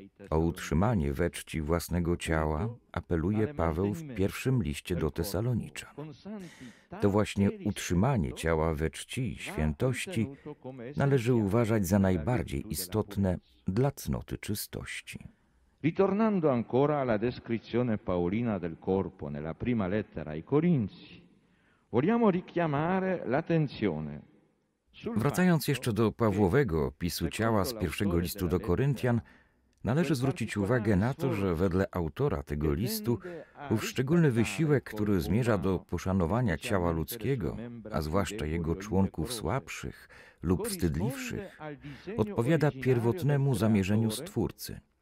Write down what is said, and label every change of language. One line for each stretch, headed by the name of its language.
Polish: O utrzymanie we czci własnego ciała apeluje Paweł w pierwszym liście do Tesaloniczan. To właśnie utrzymanie ciała we czci i świętości należy uważać za najbardziej istotne dla cnoty czystości.
Italian: Ritornando ancora alla descrizione paolina del corpo nella prima lettera ai Corinzi, vogliamo richiamare l'attenzione.
Polish: Wracając jeszcze do Pawłowego opisu ciała z pierwszego listu do Koryntian, należy zwrócić uwagę na to, że wedle autora tego listu ów szczególny wysiłek, który zmierza do poszanowania ciała ludzkiego, a zwłaszcza jego członków słabszych lub wstydliwszych, odpowiada pierwotnemu zamierzeniu Stwórcy.